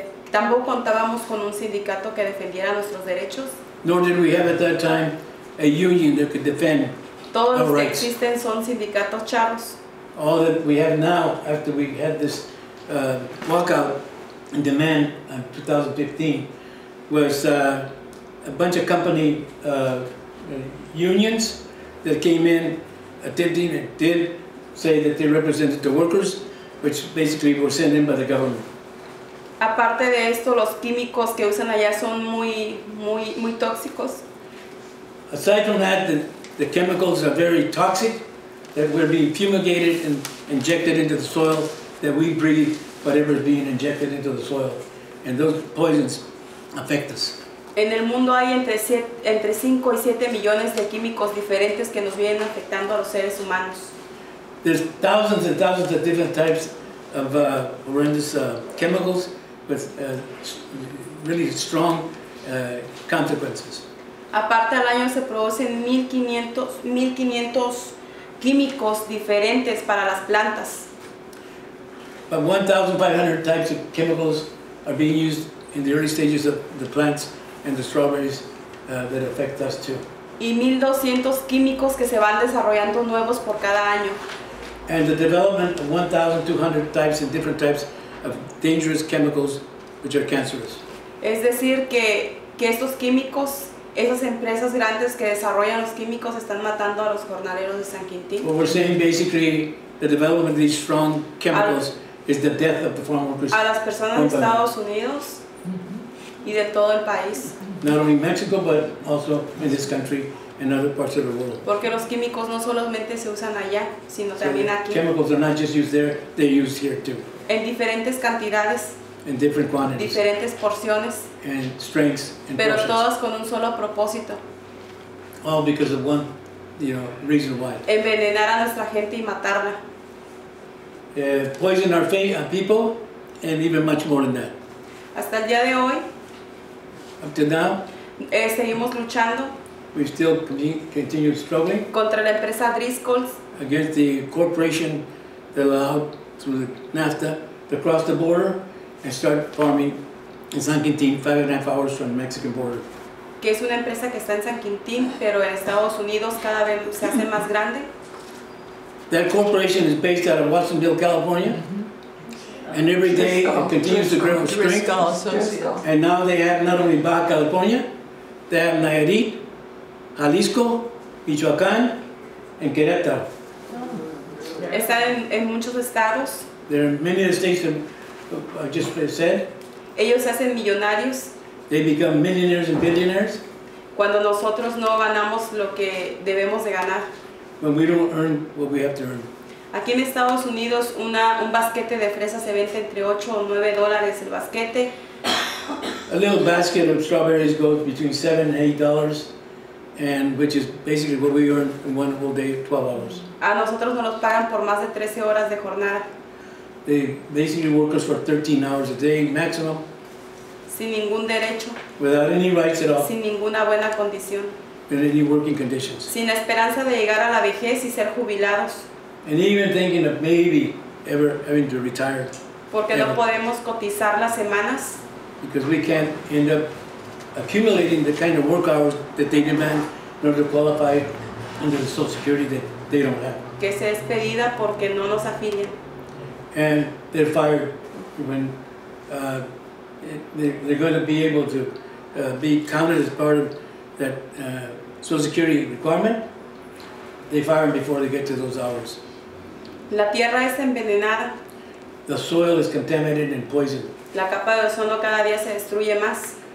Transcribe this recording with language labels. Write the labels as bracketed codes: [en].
[es] Tampoco contábamos con un sindicato que defendiera nuestros derechos. [en] Nor did we have at that time a union that could defend [es] todos [en] our [es] que [en] rights. [es] Existen son sindicatos charros. [en] All that we have now, after we had this walkout and demand in 2015, was a bunch of company unions that came in attempting and did say that they represented the workers, which basically were sent in by the government. [es] Aparte de esto, los químicos que usan allá son muy, muy, muy tóxicos. [en] Aside from that, the chemicals are very toxic, that we're being fumigated and injected into the soil, that we breathe whatever is being injected into the soil. And those poisons affect us. [es] En el mundo hay entre 5 y 7 millones de químicos diferentes que nos vienen afectando a los seres humanos. [en] There's thousands and thousands of different types of horrendous chemicals with really strong consequences. [es] Aparte al año se producen 1,500 químicos diferentes para las plantas. [en] But 1,500 types of chemicals are being used in the early stages of the plants and the strawberries that affect us too. [es] Y 1,200 químicos que se van desarrollando nuevos por cada año. [en] And the development of 1,200 types and different types of dangerous chemicals which are cancerous. [es] Es decir que estos químicos, esas empresas grandes que desarrollan los químicos están matando a los jornaleros de San Quintín. [en] What we're saying basically, the development of these strong chemicals is the death of the farm workers. [es] A las personas de Estados Unidos y de todo el país. [en] Not only Mexico, but also in this country and other parts of the world. [es] Porque los químicos no solamente se usan allá, sino [en] so [es] también aquí. [en] Chemicals are not just used there, they're used here too. [es] En diferentes cantidades. [en] In different quantities. [es] Diferentes porciones. [en] And strengths and [es] pero [en] portions. [es] Todas con un solo propósito. [en] All because of one, reason why. [es] Envenenar a nuestra gente y matarla. [en] Poison our faith, our people, and even much more than that. [es] Hasta el día de hoy. [en] Up to now. [es] Seguimos luchando. [en] We still continue struggling. [es] Contra la empresa Driscoll's. [en] Against the corporation that allowed through the NAFTA to cross the border and start farming in San Quintín, 5.5 hours from the Mexican border. [es] Que es una empresa que está en San Quintín, pero en Estados Unidos cada vez se hace más grande. [en] That corporation is based out of Watsonville, California. And every day it continues to grow strength. And now they have not only Baja California, they have Nayarit, Jalisco, Michoacán, and Querétaro. [es] Están en muchos estados. [en] There are many of the states that I just said. [es] Ellos hacen millonarios. [en] They become millionaires and billionaires. [es] Cuando nosotros no ganamos lo que debemos de ganar. [en] When we don't earn what we have to earn. [es] Aquí en Estados Unidos, un basquete de fresas se vende entre $8 or $9 el basquete. [en] A little basket of strawberries goes between $7 and $8. And which is basically what we earn in one whole day, 12 hours. [es] A nosotros nos pagan por más de 13 horas de jornada. [en] They basically work us for 13 hours a day, maximum. [es] Sin ningún derecho. [en] Without any rights at all. [es] Sin ninguna buena condición. [en] In any working conditions. [es] Sin esperanza de llegar a la vejez y ser jubilados. [en] And even thinking of maybe ever having to retire. [es] Porque [en] ever. [es] No podemos cotizar las semanas. [en] Because we can't end up accumulating the kind of work hours that they demand in order to qualify under the Social Security that they don't have. [es] Que se despedida porque no nos afilian. [en] And they're fired when they're going to be able to be counted as part of that Social Security requirement. They fire them before they get to those hours. [es] La tierra es envenenada. [en] The soil is contaminated and poisoned. [es] La capa de ozono cada día se destruye más.